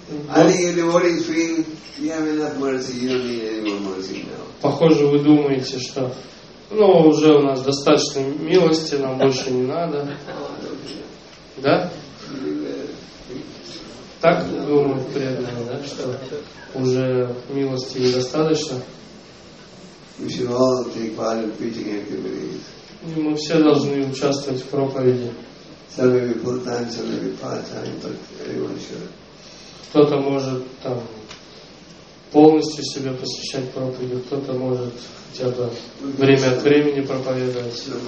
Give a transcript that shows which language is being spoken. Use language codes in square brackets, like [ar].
[en] I think your devotees feel you have enough mercy, you don't need any more mercy now. [ru] Похоже, вы думаете, что ну уже у нас достаточно милости, нам больше не надо. Да? Так думают преданные, да, что уже милости недостаточно. [en] We should all take part in preaching activities. [ru] И мы все должны участвовать в проповеди. [en] Some may be full-time, some may be part-time, but everyone should. [ru] Кто-то может там полностью себя посвящать проповеди, кто-то может хотя бы время от времени проповедовать.